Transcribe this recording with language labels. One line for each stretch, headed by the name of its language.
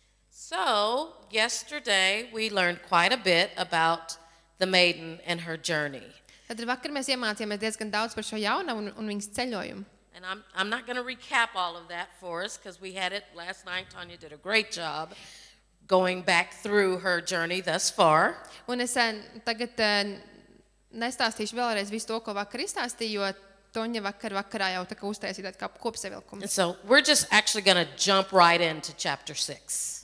English: So, yesterday we learned quite a bit about the maiden and her journey.
Latvian: Tad vakar mēs iemācījāmies diezgan daudz par šo jaunu un viņas ceļojumu.
English: And I'm not going to recap all of that for us because we had it last night. Tanya did a great job going back through her journey thus far.
Latvian: Un es tagad nestāstīšu vēlreiz visu to, ko vakar izstāstīju, jo Tonja vakarā jau tā kā uztaisīja tādu kopsavilkumu.
English: So we're just actually going to jump right into chapter 6.